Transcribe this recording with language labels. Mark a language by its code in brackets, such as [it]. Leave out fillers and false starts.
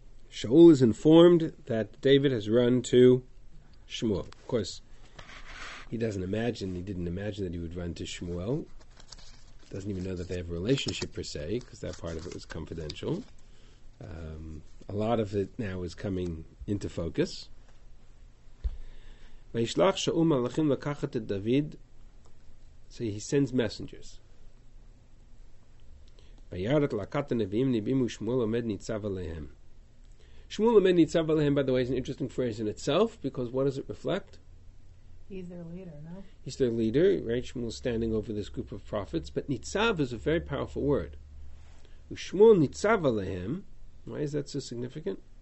[en] Shaul is informed that David has run to Shmuel. Of course, he didn't imagine that he would run to Shmuel. Doesn't even know that they have a relationship per se, because that part of it was confidential. A lot of it now is coming into focus. [he] וישלח שאול מלאכים לקחת את דוד. [en] So he sends messengers. [he] ויאר את להקת הנביאים ניבים ושמואל עומד ניצב עליהם. Shmuel Amed Nitzav Alehem, [en] by the way, is an interesting phrase in itself, because what does it reflect? He's their leader, no? He's their leader, right? Shmuel's standing over this group of prophets. But Nitzav is a very powerful word. [he] Shmuel Nitzav Alehem, [en] why is that so significant?